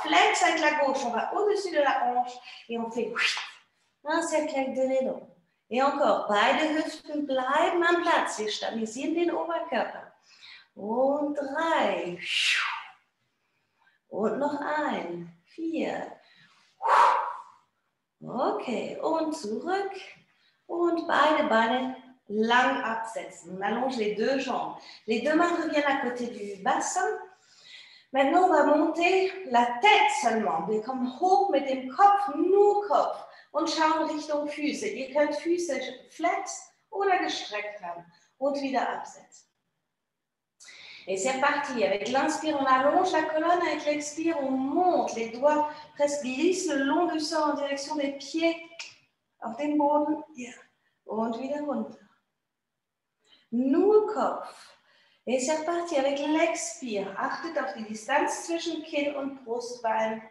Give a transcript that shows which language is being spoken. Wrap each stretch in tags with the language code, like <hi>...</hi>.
<fr>Flex avec la gauche. On va au-dessus de la hanche. Et on fait un cercle avec deux nénos. Et encore,</fr> <de>beide Hüften bleiben am Platz. Wir stabilisieren den Oberkörper. Und drei. Und noch ein. Vier. Okay, und zurück. Und beide Beine lang absetzen.</de> <fr>On allonge les deux jambes. Les deux mains reviennent à côté du bassin. Maintenant, on va monter la tête seulement.</fr> <de>Wir kommen hoch mit dem Kopf, nur Kopf. Und schauen Richtung Füße. Ihr könnt Füße flex oder gestreckt haben. Und wieder absetzen.</de> <fr>Et c'est parti. Avec l'inspire, on allonge la colonne. Avec l'expire, on monte. Les doigts presque glissent le long du sol en direction des pieds.</fr> <de>Auf den Boden. Yeah. Und wieder runter. Nur Kopf.</de> <fr>Et c'est reparti avec l'expire.</fr> <de>Achtet auf die Distanz zwischen Kinn und Brustbein.</de>